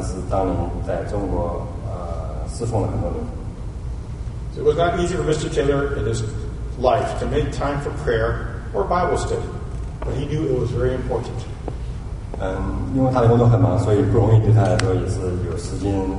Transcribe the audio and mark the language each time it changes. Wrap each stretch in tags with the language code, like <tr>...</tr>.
<zh>我一个例子给我提醒我的例子是这个戴德森牧师，他的一个经历。戴德森牧师是中国内陆传教会的这个创始人，他是当年在中国侍奉了很多年。</zh> <en>So it was not easy for Mr. Taylor in his life to make time for prayer or Bible study, but he knew it was very important.</en> <zh>因为他的工作很忙，所以不容易对他来说也是有时间，</zh>